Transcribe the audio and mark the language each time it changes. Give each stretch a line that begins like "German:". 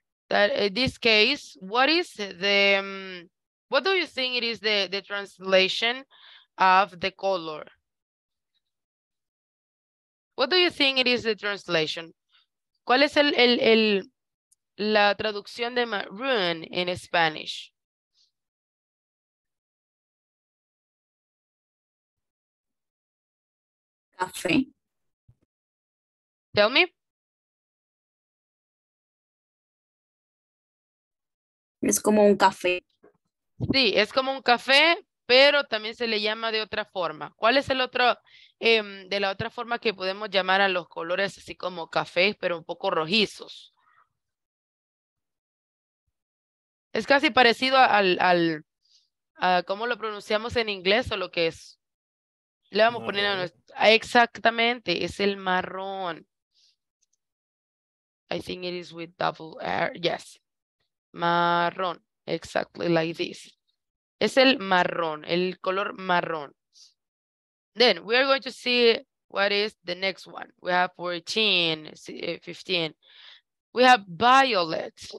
English: That in this case, what is the what do you think it is the translation of the color? What do you think it is the translation?
Spanish: ¿Cuál es la traducción de maroon en Spanish? Café.
English: Tell me.
Spanish: Es como un café. Sí, es como un café, pero también se le llama de otra forma. ¿Cuál es el otro, de la otra forma que podemos llamar a los colores así como cafés, pero un poco rojizos? Es casi parecido a cómo lo pronunciamos en inglés o lo que es. Le vamos a poner a nuestro, exactamente, es el marrón.
English: I think it is with double R, yes. Marrón. Exactly like this.
Spanish: Es el marrón, el color marrón.
English: Then we are going to see what is the next one. We have 14, 15. We have violet.